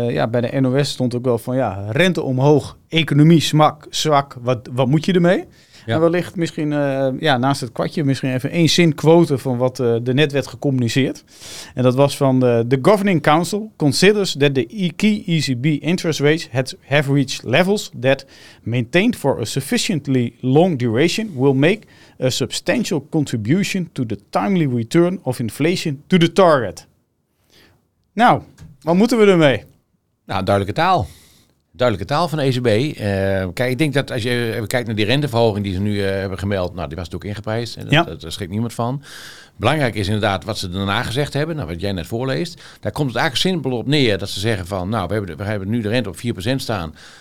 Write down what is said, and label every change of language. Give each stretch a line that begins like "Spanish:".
Dutch: Bij de NOS stond ook wel van, ja, rente omhoog, economie zwak, wat moet je ermee? Ja. En wellicht misschien naast het kwartje misschien even één zin quote van wat er net werd gecommuniceerd. En dat was van de
English: Governing Council considers that the key ECB interest rates have reached levels that maintained for a sufficiently long duration will make a substantial contribution to the timely return of inflation to the target.
Dutch: Nou, wat moeten we ermee? Nou, duidelijke taal. Duidelijke taal van de ECB. Kijk, ik denk dat als je even kijkt naar die renteverhoging die ze nu hebben gemeld. Nou, die was natuurlijk ingeprijsd. En daar schrikt niemand van. Belangrijk is inderdaad wat ze daarna gezegd hebben. Nou, wat jij net voorleest. Daar komt het eigenlijk simpel op neer dat ze zeggen van, nou, we hebben nu de rente op 4% staan.